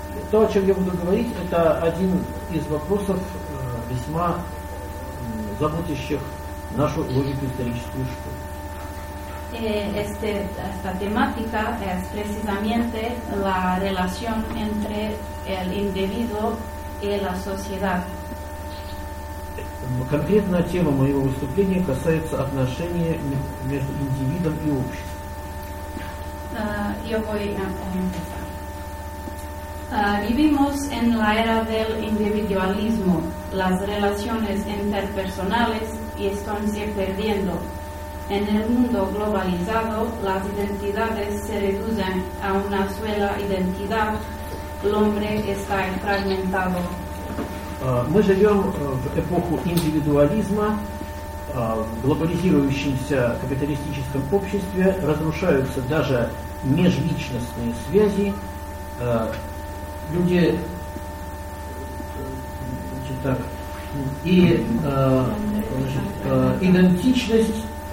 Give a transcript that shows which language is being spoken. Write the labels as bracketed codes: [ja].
[ru] То, о чем я буду говорить, это один из вопросов весьма заботящих нашу логико-историческую школу. [es] Esta temática es precisamente la relación entre el individuo y la sociedad. [ru] Конкретная тема моего выступления касается отношения между индивидом и обществом. [es] Yo voy a empezar. Vivimos en la era del individualismo. Las relaciones interpersonales están se perdiendo. En el mundo globalizado, las identidades se reducen a una sola identidad. El hombre está fragmentado. [ru] Мы живем в эпоху индивидуализма, в глобализирующемся капиталистическом обществе разрушаются даже межличностные связи. Люди, значит, так, и значит, идентичность.